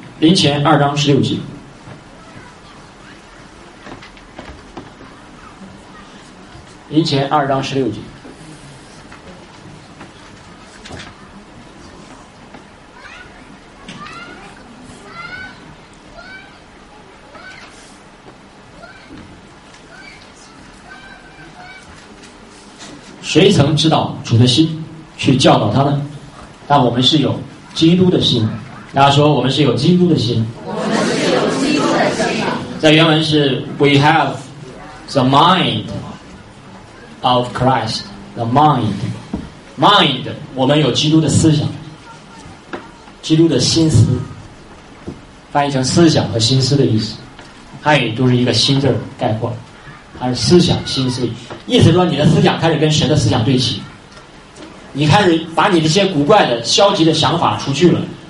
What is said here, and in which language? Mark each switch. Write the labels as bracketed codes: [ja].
[zh] 林前二章十六节，林前二章十六节，谁曾知道主的心，去教导他们。但我们是有基督的心，大家说我们是有基督的心。在原文是 [en] We have the mind of Christ. The mind. [zh] Mind, 我们有基督的思想，基督的心思，翻译成思想和心思的意思，汉语都是一个心字概括，它是思想心思，意思说你的思想开始跟神的思想对齐，你开始把你这些古怪的消极的想法除去了。